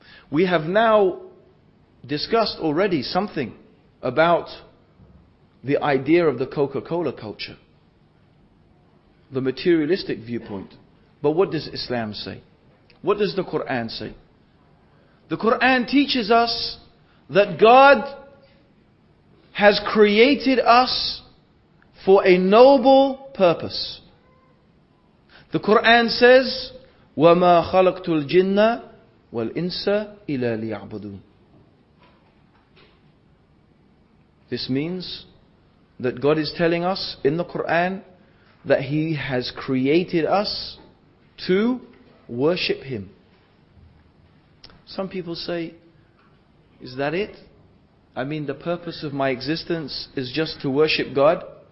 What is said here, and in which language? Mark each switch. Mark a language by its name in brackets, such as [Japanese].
[English] We have now discussed already something about the idea of the Coca-Cola culture, the materialistic viewpoint. But what does Islam say? What does the Quran say? The Quran teaches us that God has created us for a noble purpose. The Quran says, [Arabic] وَمَا خَلَقْتُ الْجِنَّ وَالْإِنسَ إِلَى لِيَعْبُدُونَ. [English] This means that God is telling us in the Quran that He has created us to worship Him. Some people say, is that it? I mean, the purpose of my existence is just to worship God.